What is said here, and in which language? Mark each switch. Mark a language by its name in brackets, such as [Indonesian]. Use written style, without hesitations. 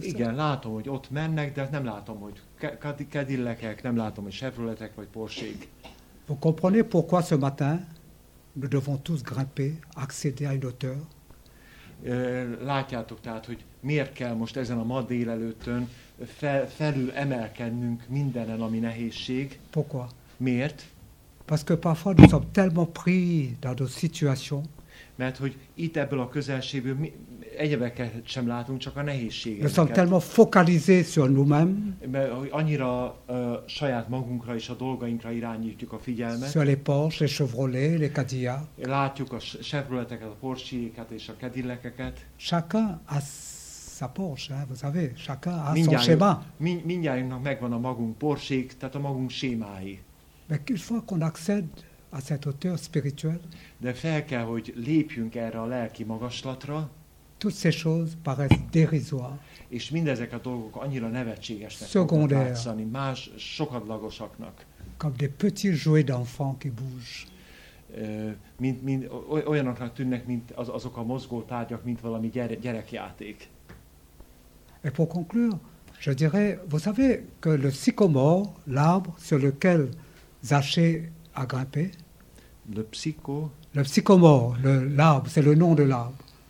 [Hungarian] Igen, [French] ça. [Hungarian] Látom, hogy ott mennek, de nem látom, hogy Cadillac-ek, nem látom, hogy Chevroletek vagy Porsche-ek. [French] Vous comprenez pourquoi ce matin nous devons tous grimper, accéder à une hauteur? [Hungarian] Látjátok tehát, hogy miért kell most ezen a ma délelőttön felül emelkednünk mindenen, ami nehézség. [French] Pourquoi? [Hungarian] Miért? [French] Parce que parfois nous sommes tellement pris dans nos situations. [Hungarian] Mert hogy itt ebből a közelségből egyebeket sem látunk, csak a nehézségeket. [French] Nous sommes tellement focalisés sur nous-mêmes. [Hungarian] Mert annyira saját magunkra és a dolgainkra irányítjuk a figyelmet. [French] Sur les Porsche, les Chevrolet, les Cadillac. [Hungarian] Látjuk a Chevroleteket, a Porsche-éket és a Cadillac-eket. [French] Chacun a sa Porsche, hein, vous savez, chacun a son schéma. [Hungarian] Mindjártnak megvan a magunk Porsche-ék, tehát a magunk schémái. [French] Mais une fois qu'on accède à cette hauteur spirituelle. [Hungarian] De fel kell, hogy lépjünk erre a lelki magaslatra. [French] Toutes ces choses paraissent dérisoires. [Hungarian] És mindezek a dolgok annyira nevetségesnek látszani, más sokadlagosaknak. [French] Comme des petits jouets d'enfants qui bougent. [Hungarian] Mint olyanoknak tűnnek, mint azok a mozgó tárgyak, mint valami gyerekjáték. [French] Et pour conclure, je dirais, vous savez que le sycomore, l'arbre sur lequel Zachée a grimpé. Le psycho. Le psychomore, l'arbre, c'est le nom de l'arbre.